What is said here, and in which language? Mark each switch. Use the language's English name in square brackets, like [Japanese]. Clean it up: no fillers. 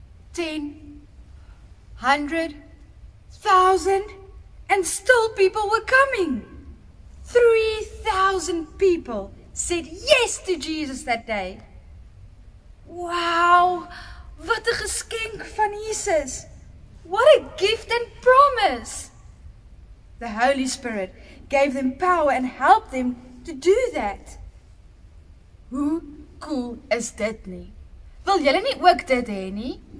[English] 10, 100, 1,000, and still people were coming. 3,000 people said yes to Jesus that day. [Afrikaans] Wow, wat 'n geskenk van Jesus. [English] What a gift and promise. The Holy Spirit gave them power and helped them to do that. [Afrikaans] Hoe cool is dit nie? Wil julle nie ook dit hê nie?